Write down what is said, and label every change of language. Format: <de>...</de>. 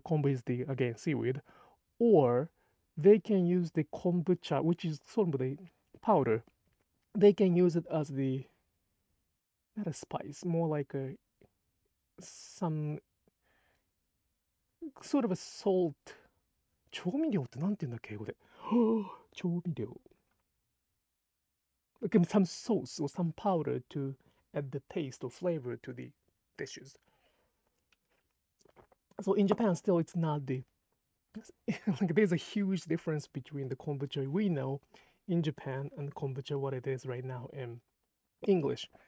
<en>Kombu is the, again, seaweed. Or they can use the kombucha, which is sort of the powder. They can use it as the, not a spice, more like a, some sort of a salt.</en> <ja>調味料ってなんて言うんだ、英語で? 調味料.</ja> <en>Like some sauce or some powder to add the taste or flavor to the dishes. So in Japan, still, it's not the... Like, there's a huge difference between the kombucha we know in Japan and kombucha what it is right now in English.</en>